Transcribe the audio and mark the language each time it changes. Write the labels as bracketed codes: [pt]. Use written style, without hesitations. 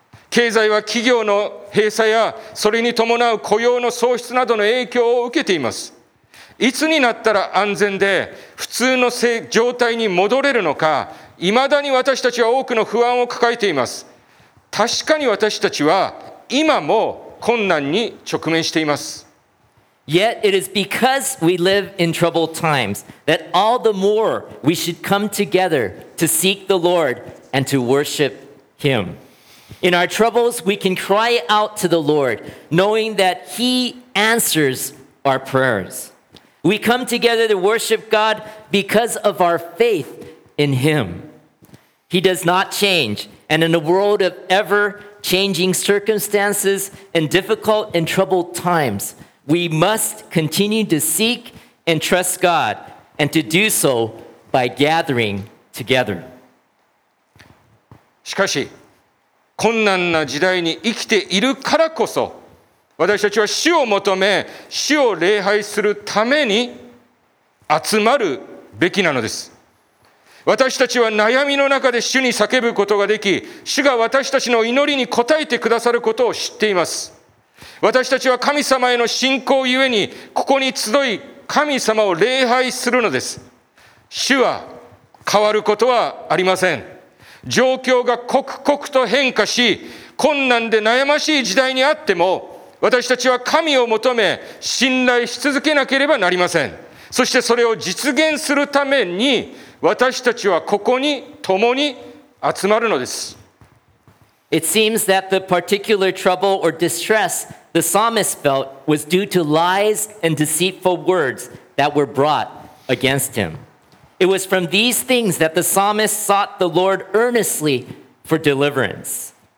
[ja] 経済は企業の閉鎖やそれに伴う雇用の喪失などの影響を受けています。いつになったら安全で普通の状態に戻れるのか、いまだに私たちは多くの不安を抱えています。確かに私たちは今も困難に直面しています。 [en] Yet it is because we live in troubled times that all the more we should come together to seek the Lord and to worship Him. In our troubles, we can cry out to the Lord, knowing that He answers our prayers. We come together to worship God because of our faith in Him. He does not change, and in a world of ever-changing circumstances and difficult and troubled times,We must continue to seek and trust God and to do so by gathering together. [ja] しかし、困難な時代に生きているからこそ、私たちは主を求め、主を礼拝するために集まるべきなのです。私たちは悩みの中で主に叫ぶことができ、主が私たちの祈りに応えてくださることを知っています。私たちは神様への信仰ゆえにここに集い神様を礼拝するのです。主は変わることはありません。状況が刻々と変化し、困難で悩ましい時代にあっても、私たちは神を求め信頼し続けなければなりません。そしてそれを実現するために私たちはここに共に集まるのです。 [en] It seems that the particular trouble or distress the psalmist felt was due to lies and deceitful words that were brought against him. It was from these things that the psalmist sought the Lord earnestly for deliverance.